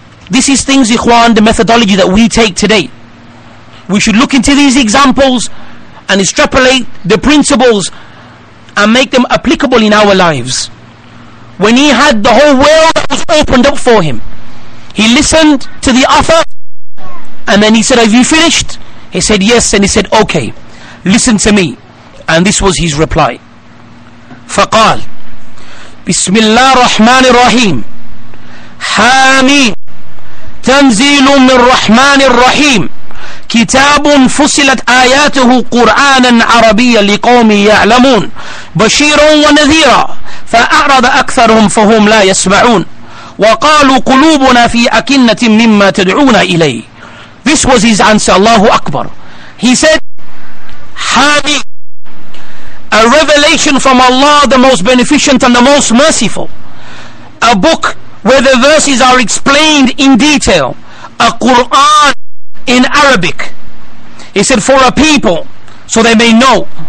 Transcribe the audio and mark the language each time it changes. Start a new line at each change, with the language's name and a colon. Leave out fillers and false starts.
English: This is things, ikhwan, the methodology that we take today. We should look into these examples and extrapolate the principles and make them applicable in our lives. When he had the whole world that was opened up for him, he listened to the offer and then he said, have you finished? He said, yes. And he said, okay, listen to me. And this was his reply.
Arabic: فقال بسم الله الرحمن الرحيم حاميم تنزيل من الرحمن الرحيم كتاب فصلت آياته قرآنا عربيا لقوم يعلمون بشيرا ونذيرا فأعرض أكثرهم فهم لا يسمعون وقالوا قلوبنا في أكنة مما تدعون إليه.
English: This was his answer. Allahu Akbar. He said, حاميم. A revelation from Allah, the most beneficent and the most merciful. A book where the verses are explained in detail. A Quran in Arabic. He said, for a people, so they may know.